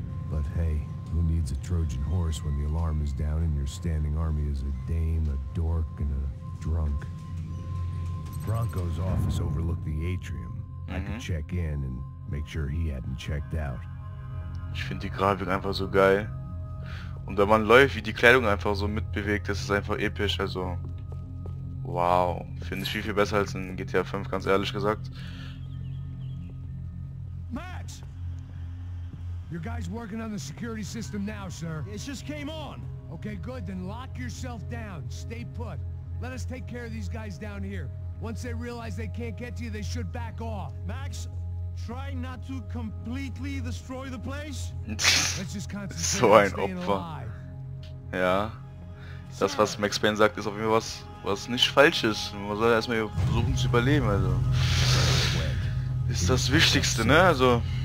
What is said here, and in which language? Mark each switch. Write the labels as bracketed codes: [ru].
[en] But hey, who needs a Trojan horse when the alarm is down and your standing army is a dame, a dork, and a drunk? Bronco's office overlooked the atrium. Mm-hmm. I could check in and make sure he hadn't checked out. [de] Ich finde die Grafik einfach so geil. Und wenn man läuft, wie die Kleidung einfach so mitbewegt, das ist einfach episch, also. Wow, finde ich viel besser als in GTA 5, ganz ehrlich gesagt. [en] Max! Your guys working on the security system now, sir. It just came on. Okay, good, then lock yourself down. Stay put. Let us take care of these guys down here. Once they realize they can't get to you, they should back off. Max, try not to completely destroy the place. Let's just concentrate. [de] So ein Opfer. Ja. Das, was Max Payne sagt, ist auf jeden Fall was, was nicht falsch ist. Man soll erstmal versuchen zu überleben, also. Ist das Wichtigste, ne? Also.